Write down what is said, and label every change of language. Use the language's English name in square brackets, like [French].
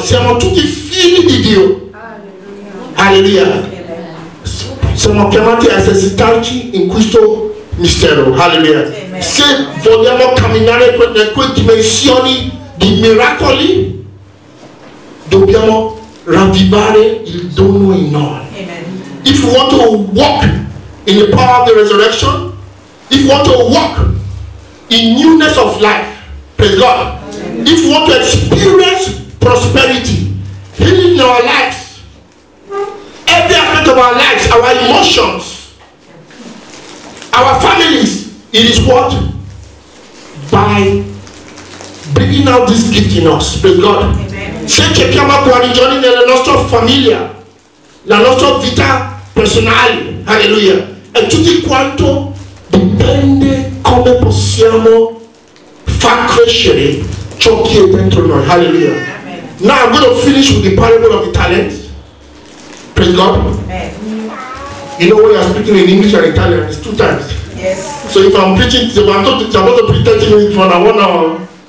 [Italian] Siamo tutti figli di Dio, alleluia. Siamo chiamati a esercitarci in questo mistero, alleluia. Se vogliamo camminare in quelle dimensioni di miracoli, dobbiamo ravvivare il dono in noi. Amen. [English] If you want to walk in the power of the resurrection, if you want to walk in newness of life, praise God. Amen. If you want to experience prosperity, healing in our lives, every aspect of our lives, our emotions, our families, it is what? By bringing out this gift in us, praise God. [Italian] Se cerchiamo a guarigione nella nostra famiglia, la nostra vita personale, alleluia, e tutto quanto dipende come possiamo far crescere ciò che è dentro noi, alleluia. [English] Now I'm going to finish with the parable of the talent. Praise God. Amen. You know when you are speaking in English and Italian, it's two times. Yes. So if I'm preaching, I'm supposed to preach 30 minutes for 1 hour.